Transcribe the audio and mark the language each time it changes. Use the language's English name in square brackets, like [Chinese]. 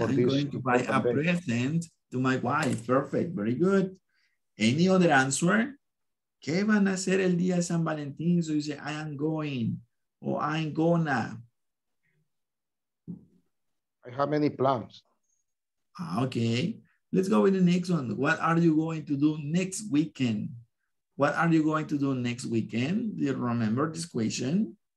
[English] I'm going to buy a present to my wife. Perfect, very good. Any other answer? [Spanish] ¿Qué van a hacer el día de San Valentín? [English] So you say, I am going, or I'm gonna. I have many plans. Okay, let's go with the next one. What are you going to do next weekend? What are you going to do next weekend? Do you remember this question?